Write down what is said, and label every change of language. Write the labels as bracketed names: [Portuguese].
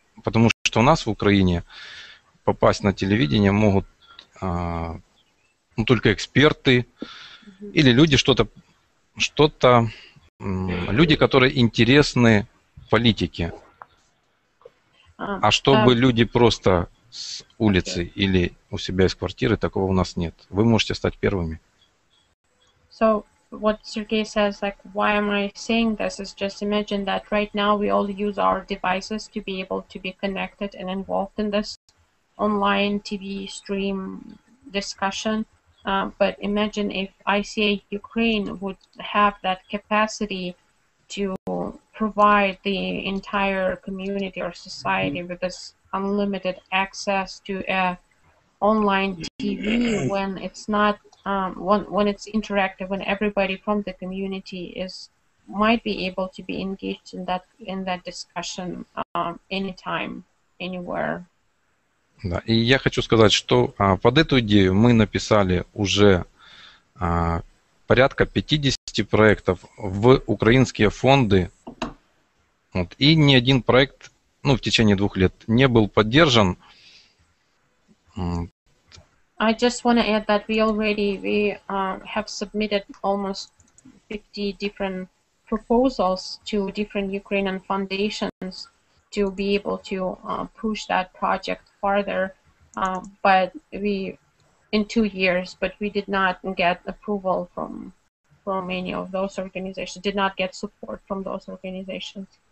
[Russian] Потому что у нас в Украине попасть на телевидение могут только эксперты или люди, что-то, люди, которые интересны политике. А чтобы люди просто с улицы или у себя из квартиры, такого у нас нет. Вы можете стать первыми. [English] So what Sergey says, like, why am I saying this? Is just imagine that right now we all use our devices to be able to be connected and involved in this online TV stream discussion. But imagine if ICA Ukraine would have that capacity to provide the entire community or society with this unlimited access to online TV when it's not when it's interactive, when everybody from the community is might be able to be engaged in that discussion anytime, anywhere. [Russian] Да. И я хочу сказать, что под эту идею мы написали уже порядка 50 проектов в украинские фонды. Вот. И ни один проект, ну, в течение двух лет не был поддержан. [English] I just want to add that we already have submitted almost 50 different proposals to different Ukrainian foundations to be able to push that project farther, but we in 2 years, but we did not get approval from any of those organizations, did not get support from those organizations.